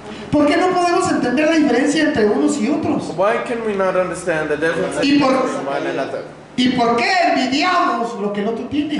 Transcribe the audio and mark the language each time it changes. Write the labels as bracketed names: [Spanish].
[Spanish] ¿Por qué no podemos entender la diferencia entre unos y otros? [English] Why can we not understand the difference between one another? [Spanish] ¿Y por qué envidiamos lo que el otro tiene?